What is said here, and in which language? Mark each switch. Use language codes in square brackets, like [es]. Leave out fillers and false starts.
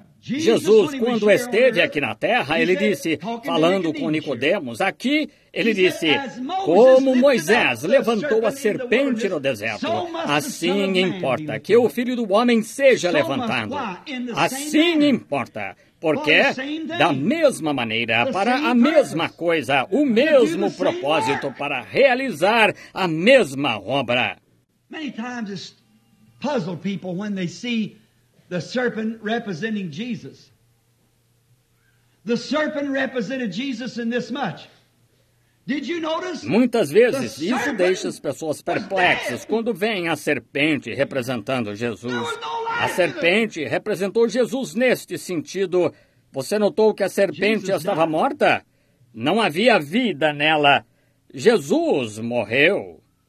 [pt] Jesus, quando esteve aqui na terra, ele disse, falando com Nicodemos, aqui, ele disse, como Moisés levantou a serpente no deserto, assim importa que o Filho do Homem seja levantado. Assim importa, porque da mesma maneira, para a mesma coisa, o mesmo propósito, para realizar a mesma obra. [en] Many times it's puzzled people when they see the serpent representing Jesus. The serpent represented Jesus in this much. Did you notice? [pt] Muitas vezes isso deixa as pessoas perplexas quando vem a serpente representando Jesus. A serpente representou Jesus neste sentido. Você notou que a serpente estava morta? Não havia vida nela. Jesus morreu.